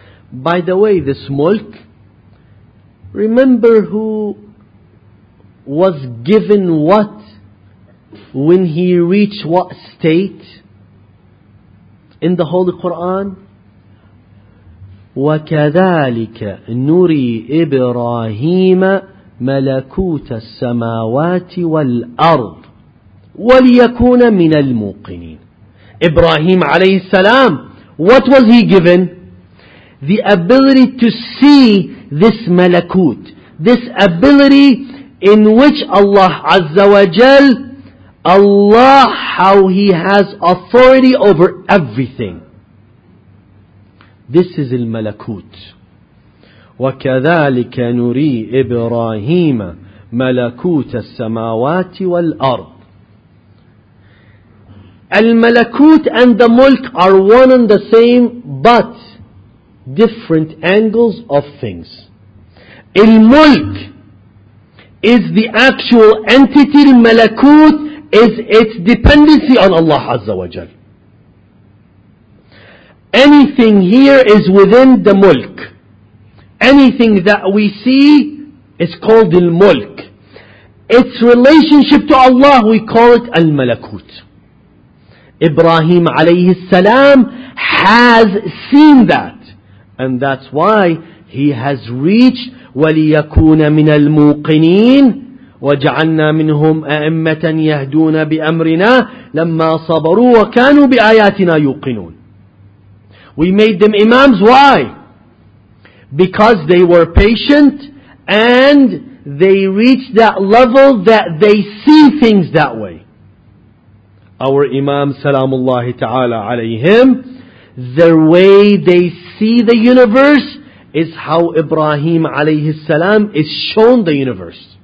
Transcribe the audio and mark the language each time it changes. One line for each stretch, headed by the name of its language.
English: By the way, this mulk, remember who was given what when he reached what state in the Holy Quran?
Arabic: وَكَذَلِكَ نُرِي إِبْرَاهِيمَ ملكوت السماوات والأرض وليكون من الموقنين. إبراهيم عليه السلام,
English: what was he given? The ability to see this ملكوت, this ability in which Allah Azza wa Jal, Allah, how He has authority over everything. This is الملكوت.
Arabic: وكذلك نري إبراهيم ملكوت السماوات والأرض.
English: الملكوت and the mulk are one and the same, but different angles of things. الملك is the actual entity, الملكوت is its dependency on Allah Azza wa Jal. Anything here is within the mulk. Anything that we see is called al-mulk. Its relationship to Allah, we call it al-malakut. Ibrahim alayhi salam has seen that. And that's why he has reached
Arabic: وَلِيَكُونَ مِنَ الْمُوقِنِينَ وَجَعَلْنَا مِنْهُمْ أَئِمَّةً يَهْدُونَ بِأَمْرِنَا لَمَّا صَبَرُوا وَكَانُوا بِآيَاتِنَا يُوقِنُونَ.
English: We made them imams. Why? Because they were patient and they reached that level that they see things that way. Our imam, salamullahi ta'ala alayhim, their way they see the universe is how Ibrahim alayhi salam is shown the universe.